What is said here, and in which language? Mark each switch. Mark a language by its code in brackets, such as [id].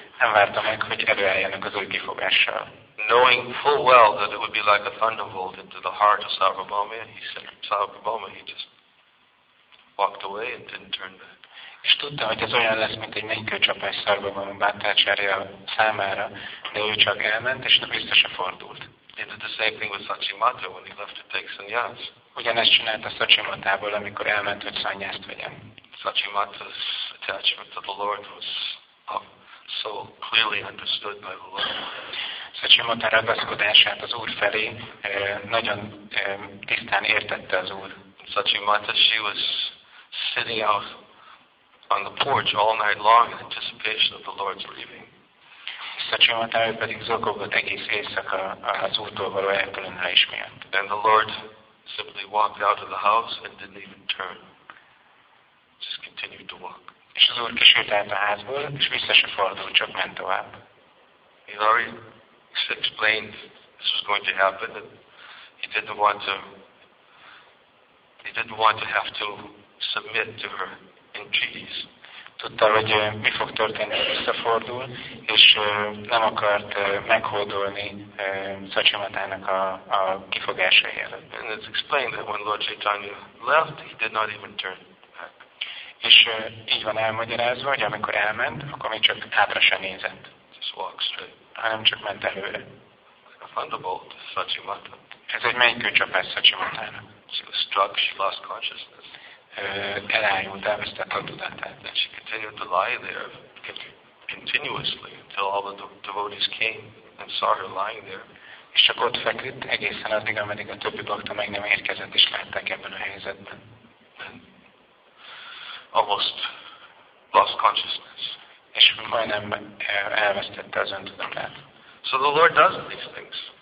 [hu] Nem vártam meg, hogy előálljanak az új kifogással. [en] Knowing full well that it would be like a thunderbolt into the heart of Sarvabhauma, he said, Sarvabhauma, he just walked away and didn't turn back. [hu] És tudta, hogy ez olyan lesz, mint egy mennykőcsapás Sarvabhauma Bhattacharya számára, de ő csak elment, és vissza se fordult. [en] He did the same thing with Sachimata when he left to take sannyas. [hu] Ugyanezt csinálta Sachimatából, amikor elment, hogy sannyaszt vegyen. [en] Sachimata's attachment to the Lord was so clearly understood by the Lord. [hu] Sachimata ragaszkodását az Úr felé nagyon tisztán értette az Úr. [en] Sachimata, she was sitting out on the porch all night long in anticipation of the Lord's leaving. [hu] Sachimata pedig zokogott egész éjszaka az Úrtól való elkülönülés miatt. [en] And the Lord simply walked out of the house and didn't even turn. Just continued to walk. [hu] És az Úr kisült át a házból, és vissza se fordult, csak ment tovább. [en] He already explained this was going to happen, and he didn't want to have to submit to her entreaties. [hu] Tudta, hogy mi fog történni, hogy visszafordul, és nem akart meghódolni Sachimatának a kifogása helyett. [en] And it's explained that when Lord Chaitanya left, he did not even turn back. [hu] És így van elmagyarázva, hogy amikor elment, akkor még csak hátra sem nézett. [en] Just walked straight. [hu] Hanem csak ment előre. [en] A thunderbolt, Sachimata. [hu] Ez egy mennykőcsapás Sachimatának. [en] She was struck, she lost consciousness. [hu] Elájult, elvesztett a tudatát. [en] And she continued to lie there continuously until all the devotees came and saw her lying there. [hu] És csak ott feküdt egészen addig, ameddig a többi bakta meg nem érkezett, és látták ebben a helyzetben. [en] And almost lost consciousness. [hu] És majdnem elvesztette az öntudatát. [en] So the Lord does these things.